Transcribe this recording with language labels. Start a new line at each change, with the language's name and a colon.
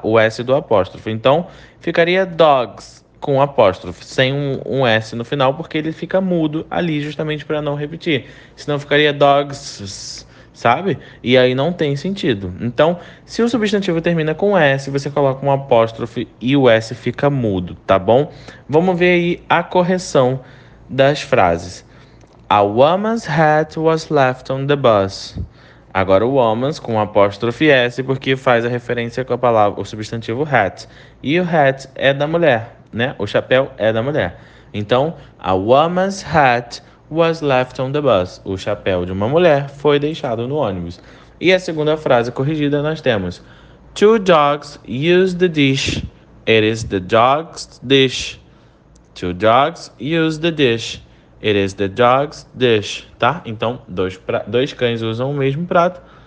Portuguese: O S do apóstrofo. Então, ficaria dogs com apóstrofo, sem um S no final, porque ele fica mudo ali justamente para não repetir. Senão, ficaria dogs. Sabe? E aí não tem sentido. Então, se o substantivo termina com S, você coloca um apóstrofe e o S fica mudo, tá bom? Vamos ver aí a correção das frases.
English: A woman's hat was left on the bus.
Portuguese: Agora o woman's com apóstrofe S, porque faz a referência com a palavra, o substantivo hat. E o hat é da mulher, né? O chapéu é da mulher.
English: Então, a woman's hat was left on the bus.
Portuguese: O chapéu de uma mulher foi deixado no ônibus. E a segunda frase corrigida nós temos:
English: Two dogs use the dish. It is the dog's dish. Two dogs use the dish. It is the dog's dish.
Portuguese: Tá? Então, dois cães usam o mesmo prato.